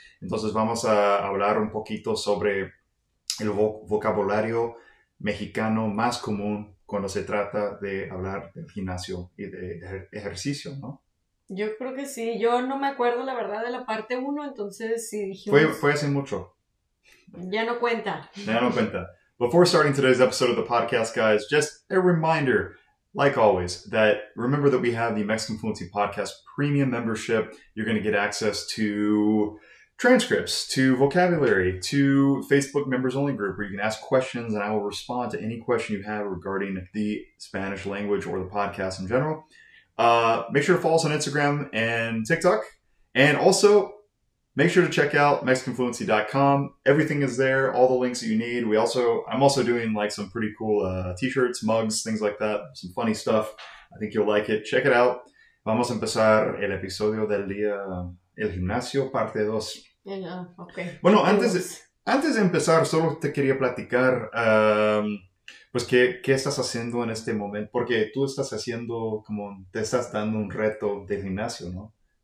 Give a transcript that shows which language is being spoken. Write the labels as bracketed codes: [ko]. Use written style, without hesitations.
[es] Entonces, vamos a hablar un poquito sobre el vocabulario mexicano más común cuando se trata de hablar del gimnasio y de ejercicio, ¿no? Yo creo que sí. Yo no me acuerdo, la verdad, de la parte 1, entonces sí dijimos... Fue hace mucho. Ya no cuenta. [en] Before starting today's episode of the podcast, guys, just a reminder, like always, that remember that we have the Mexican Fluency Podcast Premium Membership. You're going to get access to transcripts, to vocabulary, to Facebook members only group where you can ask questions and I will respond to any question you have regarding the Spanish language or the podcast in general. Make sure to follow us on Instagram and TikTok. And also, make sure to check out MexicanFluency.com. Everything is there, all the links that you need. I'm also doing like some pretty cool t-shirts, mugs, things like that, some funny stuff. I think you'll like it. Check it out. [es] Vamos a empezar el episodio del día, el gimnasio, parte 2. [en] Okay. [es] Bueno, antes de empezar, solo te quería platicar, pues, ¿qué estás haciendo en este momento? Porque tú estás haciendo, como, te estás dando un reto de gimnasio, ¿no?